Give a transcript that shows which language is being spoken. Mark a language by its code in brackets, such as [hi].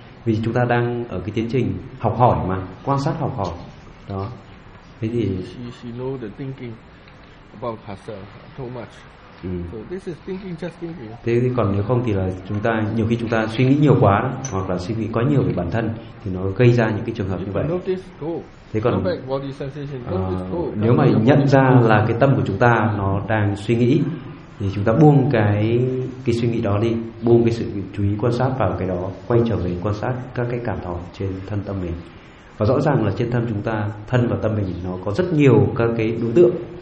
[vi] Vì chúng ta đang ở cái tiến trình học hỏi mà, quan sát học hỏi. Đó. Thế thì [en] she knows the thinking about herself too much. So this is thinking, just thinking. [vi] Thế thì còn nếu không thì là chúng ta nhiều khi chúng ta suy nghĩ nhiều quá đó, hoặc là suy nghĩ quá nhiều về bản thân thì nó gây ra những cái trường hợp [en] you [vi] như vậy. [en] Notice, [vi] thế còn [en] body sensation, [vi] nếu mà nhận ra là cái tâm của chúng ta nó đang suy nghĩ thì chúng ta buông cái suy nghĩ đó đi, buông cái sự chú ý quan sát vào cái đó, quay trở về quan sát các cái cảm thọ trên thân tâm mình. Và rõ ràng là trên thân chúng ta, thân và tâm mình nó có rất nhiều các cái đối tượng,